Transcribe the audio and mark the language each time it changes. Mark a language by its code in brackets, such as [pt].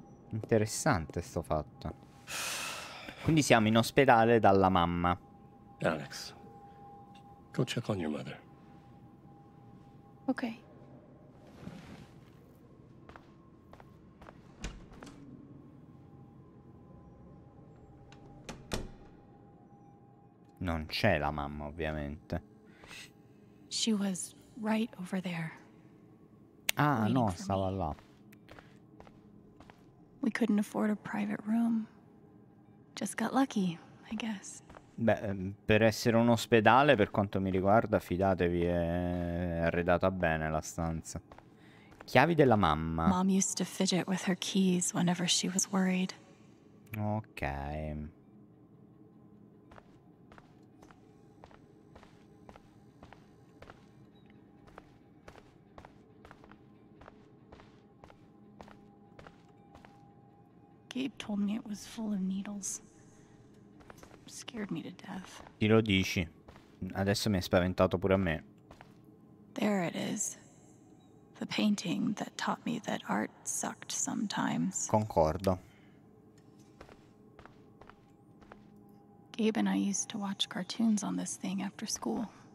[it] Interessante sto fatto. Quindi siamo in ospedale dalla mamma. [en] Alex, go check on your mother. Ok. [it] Non c'è la mamma, ovviamente. [en] She was right over there. [it] Ah, no, stava là. [en] We couldn't afford a private room. Just got lucky, I guess. [it] Beh, per essere un ospedale, per quanto mi riguarda, fidatevi, è arredata bene la stanza. Chiavi della mamma. [en] Mom used to fidget with her keys whenever she was worried. Ok. Gabe told me it was full of needles. Scared me to death. [it] Ti lo dici? Adesso mi hai spaventato pure a me. [en] There it is. The painting that taught me that art sucked sometimes. [it] Concordo. [en] Gabe and I used to watch cartoons on this thing after school.